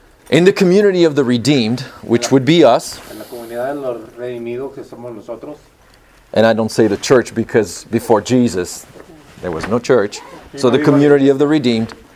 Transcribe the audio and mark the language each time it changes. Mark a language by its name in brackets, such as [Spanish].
[English] In the community of the redeemed, which would be us. [Spanish] En la comunidad de los redimidos, que somos nosotros. [English] And I don't say the church because before Jesus, there was no church. So the community of the redeemed.